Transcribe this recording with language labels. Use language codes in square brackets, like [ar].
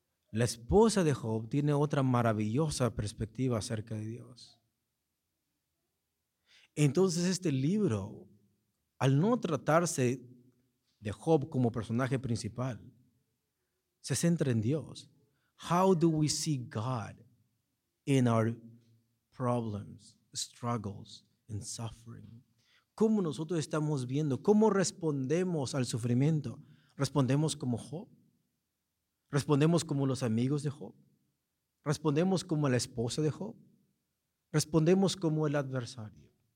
[es] La esposa de Job tiene otra maravillosa perspectiva acerca de Dios. Entonces este libro, al no tratarse de Job como personaje principal, se centra en Dios. [en] How do we see God in our problems, struggles, and suffering? [es] ¿Cómo nosotros estamos viendo? ¿Cómo respondemos al sufrimiento? ¿Respondemos como Job? ¿Respondemos como los amigos de Job? ¿Respondemos como la esposa de Job? ¿Respondemos como el adversario?